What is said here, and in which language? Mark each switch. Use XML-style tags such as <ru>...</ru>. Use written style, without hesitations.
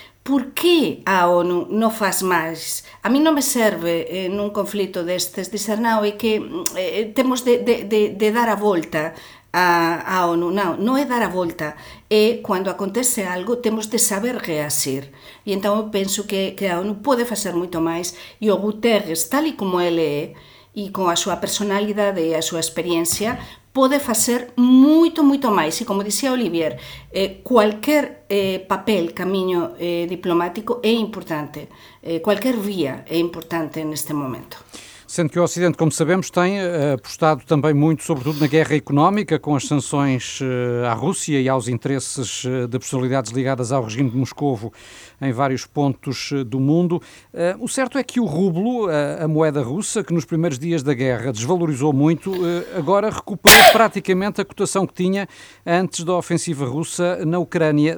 <gl>Por que a ONU non faz máis? A mí non me serve nun conflito destes dizer non, é que temos de dar a volta a ONU. Non é dar a volta, é cando acontece algo temos de saber reaxir. E entón eu penso que a ONU pode facer moito máis, e o Guterres, tal e como ele é, e con a súa personalidade e a súa experiencia, pode facer moito, moito máis. E como dixía Olivier, cualquier papel, camiño diplomático é importante. Cualquier vía é importante neste momento.</gl> <pt>Sendo que o Ocidente, como sabemos, tem apostado também muito, sobretudo na guerra económica, com as sanções à Rússia e aos interesses de personalidades ligadas ao regime de Moscovo em vários pontos do mundo. O certo é que o rublo, a moeda russa, que nos primeiros dias da guerra desvalorizou muito, agora recuperou praticamente a cotação que tinha antes da ofensiva russa na Ucrânia.</pt>